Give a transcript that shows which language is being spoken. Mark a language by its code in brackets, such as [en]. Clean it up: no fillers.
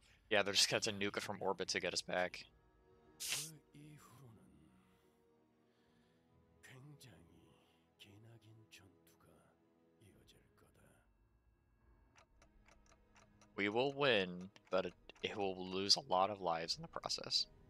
[en] Yeah, they're just gonna nuke it from orbit to get us back. [ko] 그 이후로는 굉장히 기나긴 전투가 이어질 거다. [en] We will win, but it will lose a lot of lives in the process.